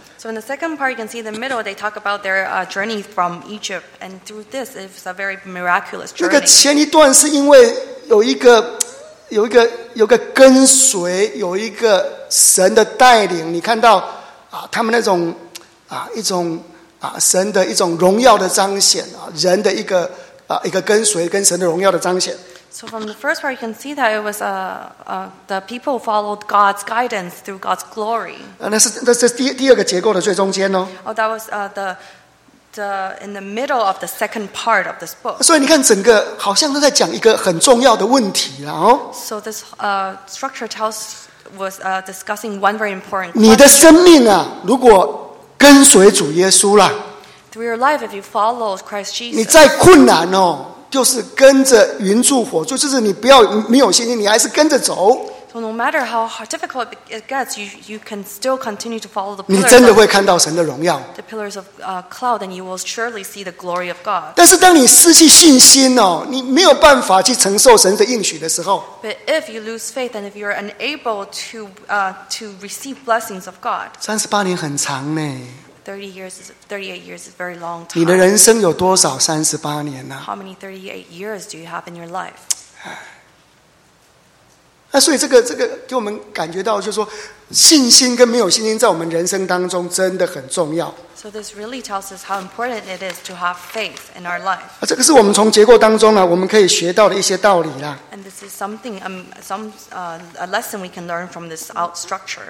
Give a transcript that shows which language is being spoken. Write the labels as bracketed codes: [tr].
[en] So in the second part, you can see in the middle, they talk about their journey from Egypt. And through this, it's a very miraculous journey. [zh] 那个前一段是因为有一个跟随，有一个神的带领。你看到啊，他们那种啊一种啊神的一种荣耀的彰显啊，人的一个啊一个跟随跟神的荣耀的彰显。 [en] So from the first part, you can see that it was the people followed God's guidance through God's glory. [zh] 那是第二个结构的最中间哦。 [en] Oh, that was the in the middle of the second part of this book. [zh] 所以你看，整个好像都在讲一个很重要的问题啦哦。 [en] So this structure tells was discussing one very important. [zh] 你的生命啊，如果跟随主耶稣啦。 [en] Through your life, if you follow Christ Jesus. [zh] 你再困难哦。就是跟着云柱火柱，就是你不要没有信心，你还是跟着走。 [en] So no matter how difficult it gets, you can still continue to follow the. [zh] 你真的会看到神的荣耀。 [en] The pillars of cloud, and you will surely see the glory of God. [zh] 但是当你失去信心哦，你没有办法去承受神的应许的时候。 [en] But if you lose faith and if you are unable to receive blessings of God. [zh] 38年很长呢。 [en] 38 years is a very long time. [zh] 你的人生有多少38年呢、啊、 [en] ？How many 38 years do you have in your life? [zh] 那所以这个给我们感觉到，就是说信心跟没有信心在我们人生当中真的很重要。 [en] So this really tells us how important it is to have faith in our life. [zh] 啊，这个是我们从结构当中呢、啊，我们可以学到的一些道理啦。 [en] And this is something a lesson we can learn from this structure.